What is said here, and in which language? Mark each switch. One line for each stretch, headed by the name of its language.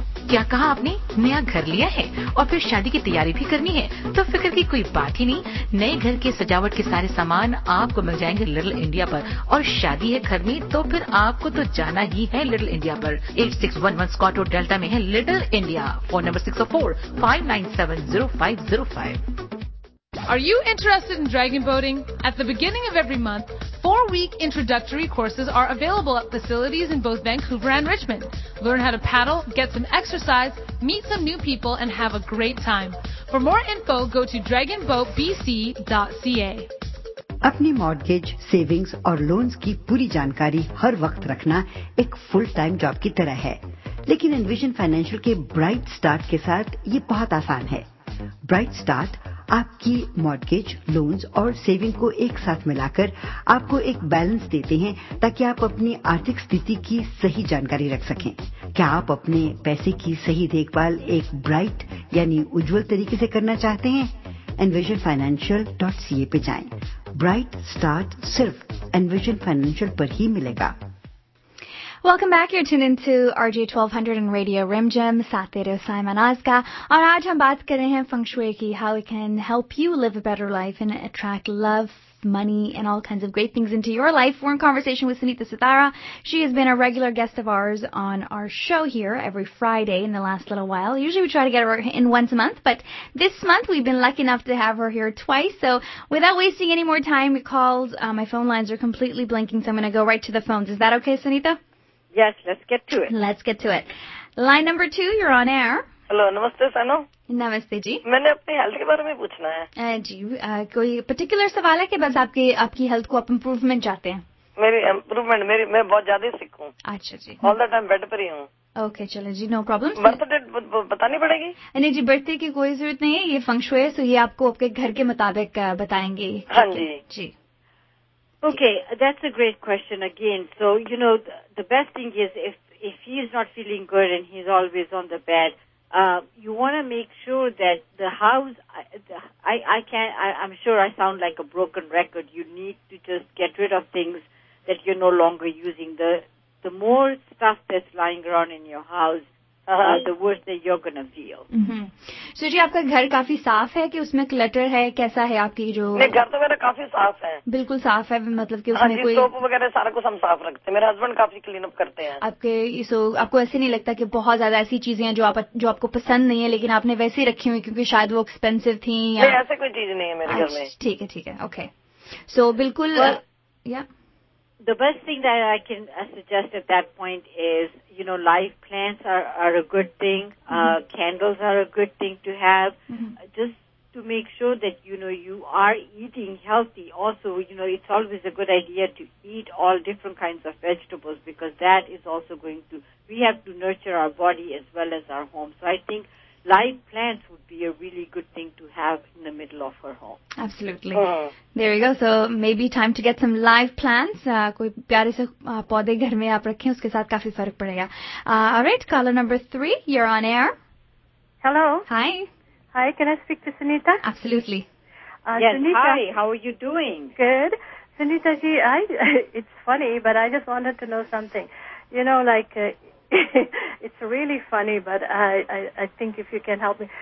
Hindi: क्या कहा आपने नया घर लिया है और फिर शादी की तैयारी भी करनी है तो फिक्र की कोई बात ही नहीं नए घर के सजावट के सारे सामान आपको मिल जाएंगे लिटिल इंडिया पर और शादी है घर में तो फिर आपको तो जाना ही है लिटिल इंडिया पर 8611 स्कॉट रोड डेल्टा में है little India phone number 604-597-0505
English: Are you interested in dragon boating? At the beginning of every month, 4-week introductory courses are available at facilities in both Vancouver and Richmond. Learn how to paddle, get some exercise, meet some new people, and have a great time. For more info, go to dragonboatbc.ca.
Hindi: अपनी mortgage, savings और loans की पूरी जानकारी हर वक्त रखना एक full-time job की तरह है. लेकिन Envision Financial के Bright Start के साथ ये बहुत आसान है. Bright Start आपकी मॉर्गेज लोन्स और सेविंग को एक साथ मिलाकर आपको एक बैलेंस देते हैं ताकि आप अपनी आर्थिक स्थिति की सही जानकारी रख सकें क्या आप अपने पैसे की सही देखभाल एक ब्राइट यानी उज्जवल तरीके से करना चाहते हैं envisionfinancial.ca पे जाएं ब्राइट स्टार्ट सिर्फ Envision Financial पर ही मिलेगा
English: Welcome back. You're tuned into RJ 1200 and Radio Rimjim.
Hindi: Saath de rahe ho
English: Simon Azka.
Hindi: Aur aaj hum baat kar rahe hain feng shui ki,
English: how it can help you live a better life and attract love. Money and all kinds of great things into your life. We're in conversation with Sunitha Sitara. She has been a regular guest of ours on our show here every Friday in the last little while. Usually we try to get her in once a month, but this month we've been lucky enough to have her here twice. So without wasting any more time, we called. My phone lines are completely blanking, so I'm going to go right to the phones. Is that okay, Sunitha? Yes, let's get to it. Let's get to it. Line number 2, you're on air.
Hindi: Hello नमस्ते सानो नमस्ते जी मैंने अपने health के बारे में पूछना है जी कोई पर्टिकुलर सवाल है कि बस आपके आपकी हेल्थ को आप इम्प्रूवमेंट चाहते हैं मेरी इम्प्रूवमेंट मेरी मैं बहुत ज्यादा सिक हूँ अच्छा जी
English: all the time
Hindi: बेड पर ही हूँ ओके चलो जी
English: no problem
Hindi: बर्थ डेट बतानी पड़ेगी नहीं जी बर्थडे की कोई जरूरत नहीं है ये फंग शुए है सो ये आपको आपके घर के मुताबिक बताएंगे हाँ जी जी
English: Okay that's a great question again so you know the best thing is if he is not feeling good and he is always on the bed you want to make sure that the house, I'm sure I sound like a broken record. You need to just get rid of things that you're no longer using. The more stuff that's lying around in your house, the worse that you're going to feel. So,
Hindi: जी आपका घर काफी साफ है कि उसमें clutter है कैसा है आपकी जो नहीं घर तो मेरा काफी साफ है बिल्कुल साफ है मतलब कि उसमें कोई सोप वगैरह सारा कुछ हम साफ रखते हैं मेरे हस्बैंड काफी क्लीन अप करते हैं आपके सो आपको ऐसे नहीं लगता कि बहुत ज्यादा ऐसी चीजें हैं जो आपको पसंद नहीं है लेकिन आपने वैसे ही रखी हुई क्योंकि शायद वो एक्सपेंसिव थी या नहीं ऐसे कोई चीज नहीं है मेरे घर में ठीक है ओके सो बिल्कुल या
English: The best thing that I can suggest at that point is, you know, live plants are a good thing. Candles are a good thing to have. Just to make sure that, you know, you are eating healthy. Also, you know, it's always a good idea to eat all different kinds of vegetables because that is also going to, we have to nurture our body as well as our home. So I think live plants would be a really good thing to have in the middle of her home. Absolutely. There you go. So maybe time to get some live plants.
Hindi: कोई प्यारे से पौधे घर में आप रखें उसके साथ काफी फर्क पड़ेगा.
English: All right, caller number 3, you're on air. Hello. Hi. Hi, can I speak to Sunita? Absolutely. Yes, Sunita. Hi, how are you doing? Good. Sunita ji, it's funny, but I just wanted to know something. You know, like... it's really funny, but I think if you can help me.